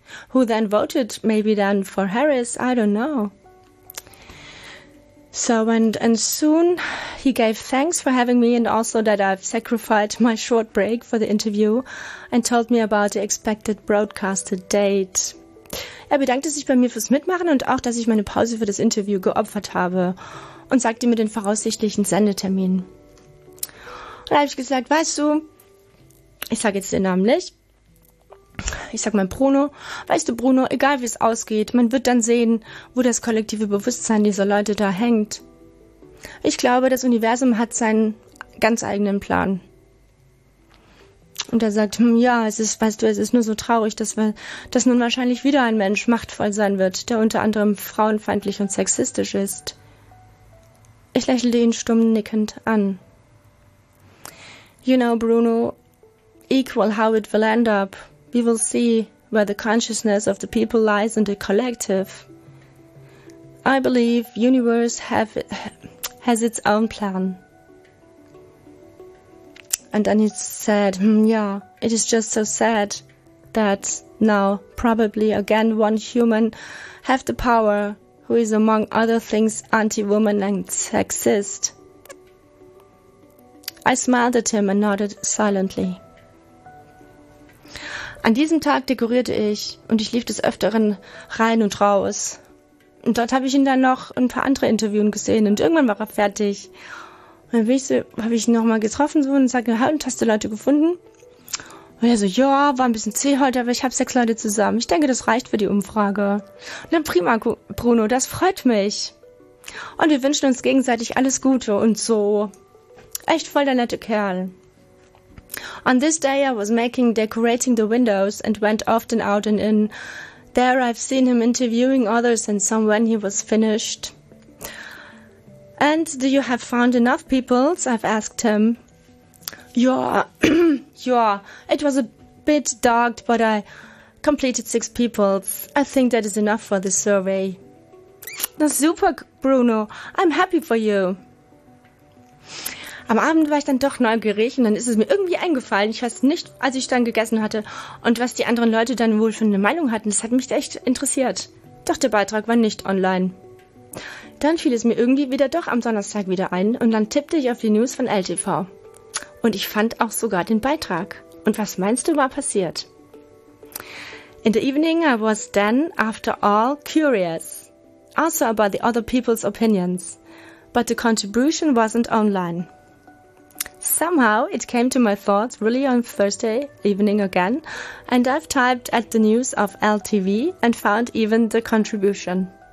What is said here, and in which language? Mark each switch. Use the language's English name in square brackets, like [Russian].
[English] Who then voted maybe then for Harris? I don't know. So and soon he gave thanks for having me and also that I've sacrificed my short break for the interview and told me about the expected broadcasted date. [German] Bedankte sich bei mir fürs Mitmachen und auch, dass ich meine Pause für das Interview geopfert habe. Und sagte mir den voraussichtlichen Sendetermin. Und da habe ich gesagt, weißt du, ich sage jetzt den Namen nicht, ich sage mein Bruno, weißt du Bruno, egal wie es ausgeht, man wird dann sehen, wo das kollektive Bewusstsein dieser Leute da hängt. Ich glaube, das Universum hat seinen ganz eigenen Plan. Und er sagt, ja, es ist, weißt du, es ist nur so traurig, dass nun wahrscheinlich wieder ein Mensch machtvoll sein wird, der unter anderem frauenfeindlich und sexistisch ist. Ich lächelte ihn stumm nickend an. [English] You know, Bruno, equal how it will end up, we will see where the consciousness of the people lies in the collective. I believe universe has its own plan. And then he said, yeah, it is just so sad that now probably again one human have the power who is, among other things, anti-woman and sexist. I smiled at him and nodded silently. [German] An diesem Tag dekorierte ich und ich lief des Öfteren rein und raus. Und dort habe ich ihn dann noch ein paar andere Interviews gesehen und irgendwann war er fertig. Und dann habe ich ihn nochmal getroffen so und sagte, hast du Leute gefunden? Und er so, ja, war ein bisschen zäh heute, aber ich habe 6 Leute zusammen. Ich denke, das reicht für die Umfrage. Na prima, Bruno, das freut mich. Und wir wünschen uns gegenseitig alles Gute und so. Echt voll der nette Kerl. [English] On this day I was decorating the windows and went often out and in. There I've seen him interviewing others and some when he was finished. And do you have found enough people? I've asked him. Yeah, it was a bit dark, but I completed 6 people. I think that is enough for the survey. [German] Das ist super, [English] Bruno. I'm happy for you. [German] Am Abend war ich dann doch neugierig und dann ist es mir irgendwie eingefallen. Ich weiß nicht, als ich dann gegessen hatte und was die anderen Leute dann wohl für eine Meinung hatten. Das hat mich echt interessiert. Doch der Beitrag war nicht online. Dann fiel es mir irgendwie wieder doch am Donnerstag wieder ein und dann tippte ich auf die News von LTV. Und ich fand auch sogar den Beitrag. Und was meinst du, war passiert? [English] In the evening I was then, after all, curious. Also about the other people's opinions. But the contribution wasn't online. Somehow it came to my thoughts really on Thursday evening again. And I've typed at the news of LTV and found even the contribution.